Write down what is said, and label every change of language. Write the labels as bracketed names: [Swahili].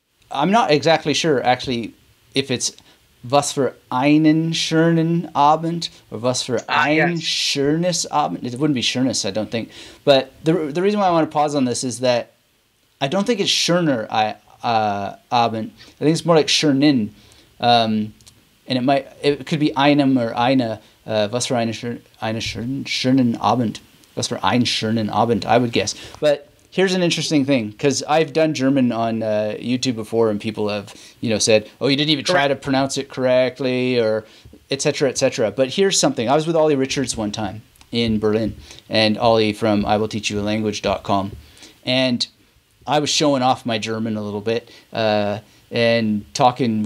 [English] I'm not exactly sure, actually, if it's was für einen schönen Abend or was für ein schönes Abend. It wouldn't be schönes, I don't think. But the reason why I want to pause on this is that I don't think it's schöner Abend. I think it's more like schönen. And it could be einem or eine, was für einen schönen Abend. [German] Was für ein schönen Abend, I would guess. [English] But here's an interesting thing, because I've done German on YouTube before, and people have, you know, said, oh, you didn't even try to pronounce it correctly, or et cetera, et cetera. But here's something. I was with Ollie Richards one time in Berlin, and Ollie from IWillTeachYouALanguage.com, and I was showing off my German a little bit and talking.